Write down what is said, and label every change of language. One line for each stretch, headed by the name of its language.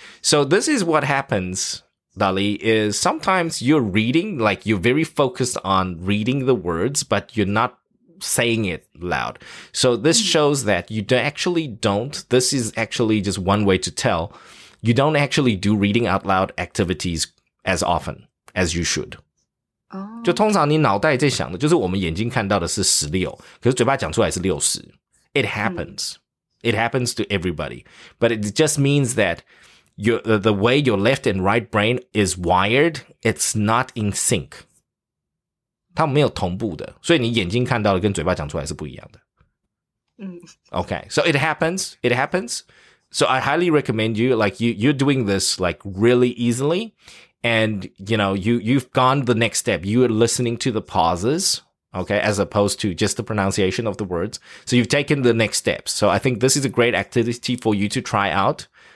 English: So this is what happens, Dali, is sometimes you're reading, like you're very focused on reading the words, but you're not saying it loud. So this shows that you this is actually just one way to tell, you don't actually do reading out loud activities as often as you should.
Chinese: 就通常你脑袋在想的就是我们眼睛看到的是16，可是嘴巴讲出来是60。
English: It happens、嗯、It happens to everybody. But it just means thatthe way your left and right brain is wired, it's not in sync.
Chinese: 它没有同步的，所以你眼睛看到的跟嘴巴讲出来是不一样的。嗯。
English: Okay, so it happens, it happens. So I highly recommend you, like you're doing this like really easily. And, you know, you've gone the next step. You are listening to the pauses, okay, as opposed to just the pronunciation of the words. So you've taken the next steps. So I think this is a great activity for you to try out.